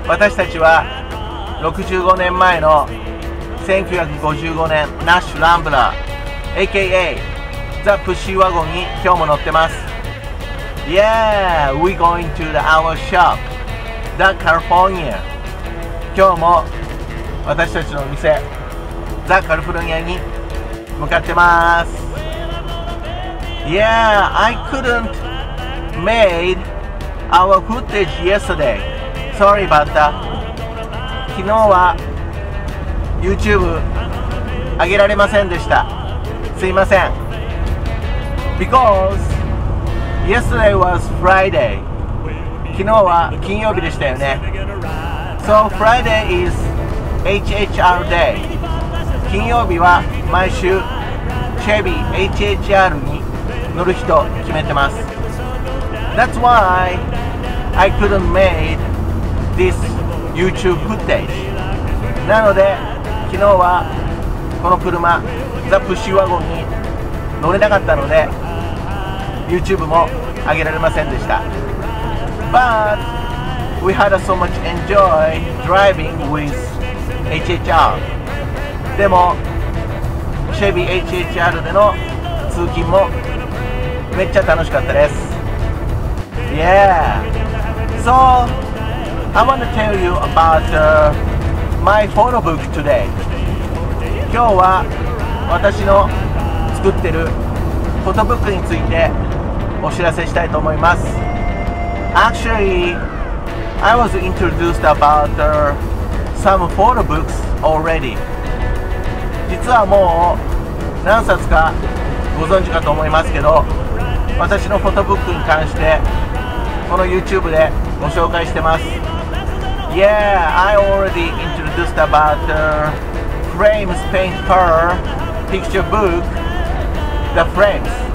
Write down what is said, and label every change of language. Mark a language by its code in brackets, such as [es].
[ja] 私たちは65年前の1955年ナッシュランブラー AKAザ・プッシーワゴンに今日も乗ってます。 [en] Yeah, we going to the our shop The California。 [ja] 今日も私たちの店ザ・カリフォルニアに向かってます。 [en] Yeah, I couldn't made our footage yesterday. Sorry about that. [ja] 昨日は YouTube 上げられませんでした。すいません。 [en] Because yesterday was Friday. [ja] 昨日は金曜日でしたよね。 [en] So Friday is HHR day. [ja] 金曜日は毎週チェビ HHR に乗る日と決めてます。 [en] That's why I couldn't make this YouTube footage. [ja] なので昨日はこの車ザ・プッシュワゴンに乗れなかったのでYouTube も上げられませんでした。 [en] But we had so much enjoy driving with HHR. [ja] でもチェビ HHR での通勤もめっちゃ楽しかったです。 [en] Yeah. So I want to tell you about my photo book today. [ja] 今日は私の作ってるフォトブックについてお知らせしたいと思います。 [en] Actually, I was introduced about some photo books already. [ja] 実はもう何冊かご存知かと思いますけど、私のフォトブックに関してこの YouTube でご紹介してます。 [en] Yeah, I already introduced about Frames Paint Per Picture Book The Frames.